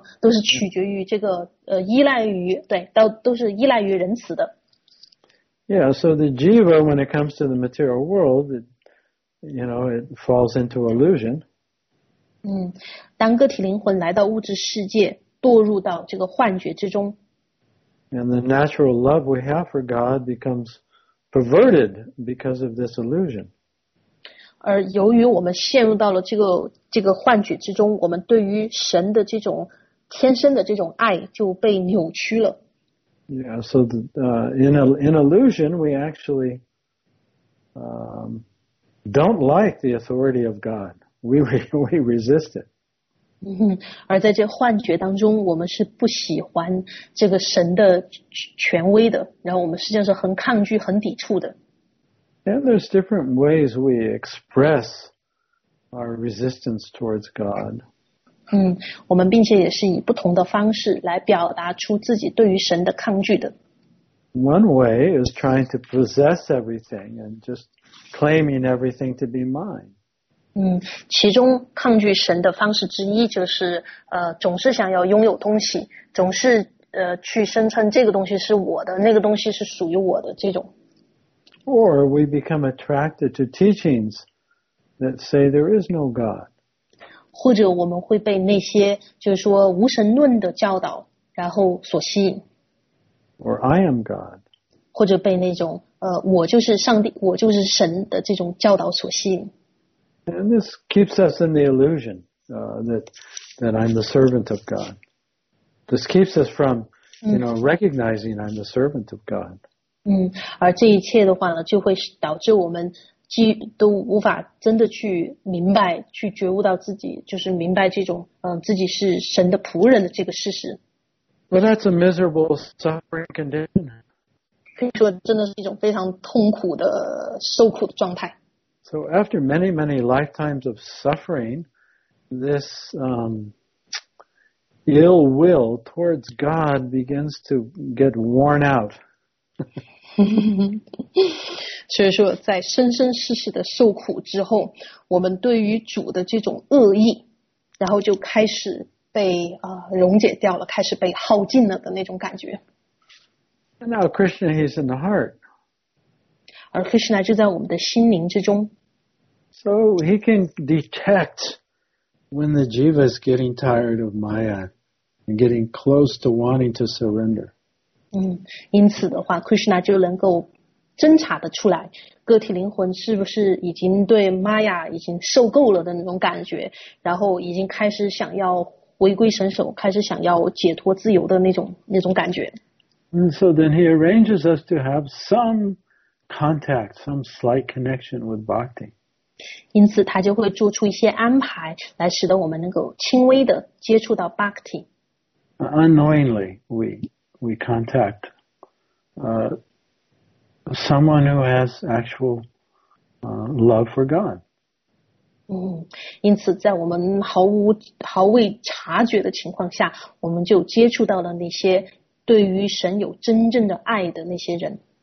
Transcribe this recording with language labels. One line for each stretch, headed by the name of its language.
Chinese: 都是取决于这个依赖于对，都是依赖于仁慈的。
English: Yeah, so the jiva, when it comes to the material world, it falls into illusion.
Chinese: 当个体灵魂来到物质世界，堕入到这个幻觉之中。
English: And the natural love we have for God becomes perverted because of this illusion.
Chinese: 而由于我们陷入到了这个幻觉之中，我们对于神的这种天生的这种爱就被扭曲了。
English: Yeah, so in illusion, we actually don't like the authority of God. We resist it.
Chinese: 而在这幻觉当中，我们是不喜欢这个神的权威的，然后我们实际上是很抗拒、很抵触的。
English: And there's different ways we express our resistance towards God.
Chinese: 我们并且也是以不同的方式来表达出自己对于神的抗拒的。
English: One way is trying to possess everything and just claiming everything to be mine.
Chinese: 其中抗拒神的方式之一就是总是想要拥有东西，总是去声称这个东西是我的，那个东西是属于我的这种。
English: Or we become attracted to teachings that say there is no God.
Chinese: 或者我们会被那些就是说无神论的教导然后所吸引。
English: Or I am God.
Chinese: 或者被那种我就是上帝，我就是神的这种教导所吸引。
English: And this keeps us in the illusion that I'm the servant of God. This keeps us from, you know, recognizing I'm the servant of God.
Chinese: 而这一切的话呢，就会导致我们都无法真的去明白，去觉悟到自己，就是明白这种自己是神的仆人的这个事实。
English: Well, that's a miserable suffering condition.
Chinese: 可以说真的是一种非常痛苦的受苦的状态。
English: So after many, many lifetimes of suffering, this ill will towards God begins to get worn out.
Chinese: 所以说在生生世世的受苦之后，我们对于主的这种恶意然后就开始被溶解掉了，开始被耗尽了的那种感觉。
English: And now Krishna is in the heart.
Chinese: 而 Krishna 就在我们的心灵之中。
English: So he can detect when the jiva is getting tired of maya and getting close to wanting to surrender.
Chinese: 因此的话 ，Krishna 就能够侦查的出来，个体灵魂是不是已经对 maya 已经受够了的那种感觉，然后已经开始想要回归神手，开始想要解脱自由的那种感觉。
English: And so then he arranges us to have some contact, some slight connection with bhakti.
Chinese: 因此他就会做出一些安排来使得我们能够轻微的接触到 bhakti.
English: Unknowingly, we contact someone who has actual love for God.
Chinese: 因此在我们毫未察觉的情况下，我们就接触到了那些对于神有真正的爱的那些人。